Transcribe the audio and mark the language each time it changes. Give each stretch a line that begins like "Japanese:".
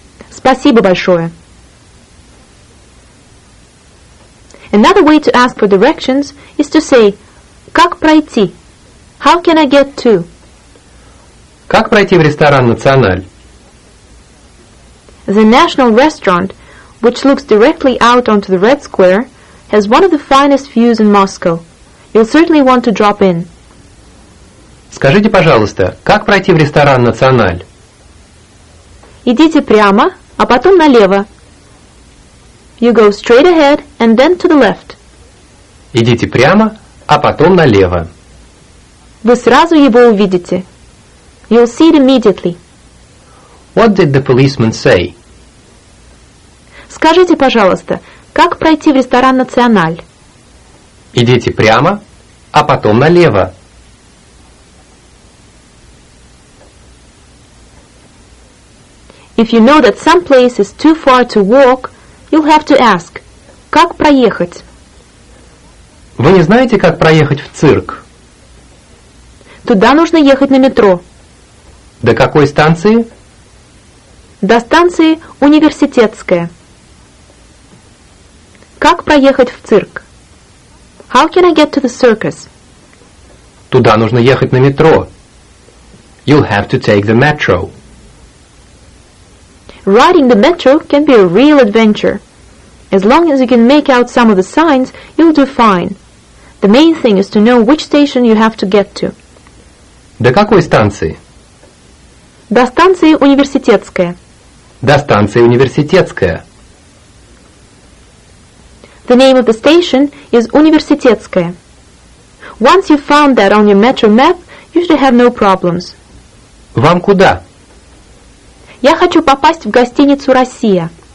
Russian: Спасибо большое.
English: Another way to ask for directions is to say,
Russian: как пройти?
English: How can I get to?
Russian: Как пройти в ресторан «Националь»?
English: The National Restaurant, which looks directly out onto the Red Square, has one of the finest views in Moscow. You'll certainly want to drop in.
Russian: Скажите, пожалуйста, как пройти в ресторан «Националь»? Идите прямо, а потом налево.
English: You go straight ahead and then to the left.
Russian: Идите прямо, а потом налево. Вы сразу его увидите.
English: You'll see it immediately. What did the policeman say?
Russian: Скажите, пожалуйста, как пройти в ресторан «Националь»? Идите прямо, а потом налево.
English: If you know that some place is too far to walk, you'll have to ask,
Russian: как проехать? Вы не знаете, как проехать в цирк? Туда нужно ехать на метро. До какой станции? До станции Университетская. Как проехать в цирк?
English: How can I get to the circus?
Russian: Туда нужно ехать на метро.
English: You'll have to take the metro. Riding the metro can be a real adventure. As long as you can make out some of the signs, you'll do fine. The main thing is to know which station you have to get to.
Russian: До какой станции? До станции Университетская. До станции Университетская.
English: The name of the station is Университетская. Once you've found that on your metro map, you should have no problems.
Russian: Вам куда? Я хочу попасть в гостиницу «Россия».